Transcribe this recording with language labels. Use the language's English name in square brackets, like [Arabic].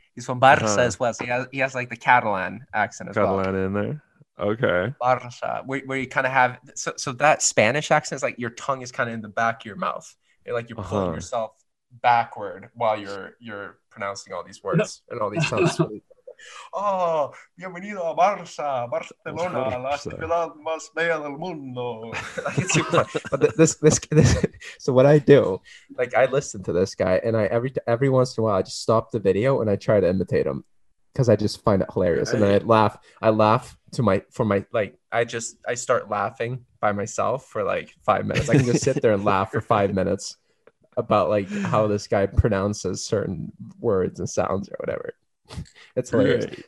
[English] He's from Barça as well. So he has like the Catalan accent Catalan in there. Okay. Barça, where you kind of have... So that Spanish accent is like your tongue is kind of in the back of your mouth. You're pulling yourself backward while you're pronouncing all these words and all these sounds. [Spanish] Oh, bienvenido a Barça, Barcelona, la ciudad más bella del mundo. [English] It's super fun. But this. So what I do, like I listen to this guy, and I every once in a while I just stop the video and I try to imitate him because I just find it hilarious, and then I laugh. I laugh I start laughing by myself for like 5 minutes. I can just sit there and laugh for 5 minutes about like how this guy pronounces certain words and sounds or whatever. It's hilarious. Right.